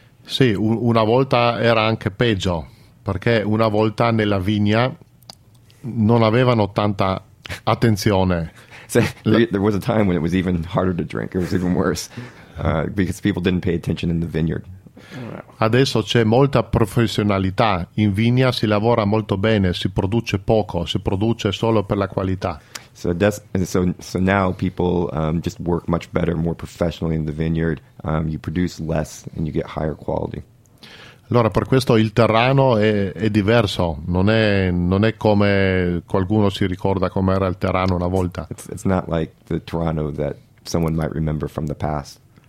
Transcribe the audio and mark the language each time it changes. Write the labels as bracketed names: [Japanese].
[Italian] Sì, una volta era anche peggio, perché una volta nella vigna non avevano tanta attenzione. [English] So, there was a time when it was even harder to drink. It was even worse because people didn't pay attention in the vineyard. [Italian] Adesso c'è molta professionalità. In vigna si lavora molto bene, si produce poco, si produce solo per la qualità. [English] So now people just work much better, more professionally in the vineyard. You produce less and you get higher quality. [Italian] Allora, per questo il Terrano è diverso, non è come qualcuno si ricorda come era il Terrano una volta. [English] It's not like the Terrano that someone might remember from the past.